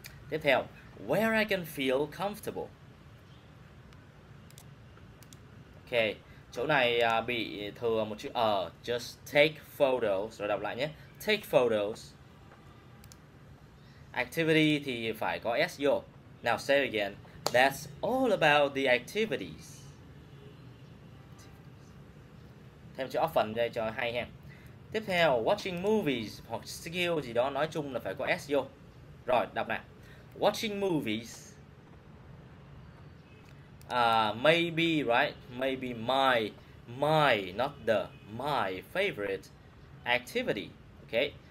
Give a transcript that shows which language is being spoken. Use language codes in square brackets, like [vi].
[vi] Tiếp theo, [en] where I can feel comfortable. [vi] Ok, chỗ này bị thừa một chữ ở, [en] just take photos, [vi] rồi đọc lại nhé, [en] take photos. [vi] Activity thì phải có S vô. [en] Now say again, that's all about the activities. [vi] Thêm chữ often đây cho hay hen. Tiếp theo, [en] watching movies [vi] hoặc skill gì đó, nói chung là phải có S vô. Rồi, đọc lại. [en] Watching movies. Maybe, right? Maybe my, not the, my favorite activity. Okay.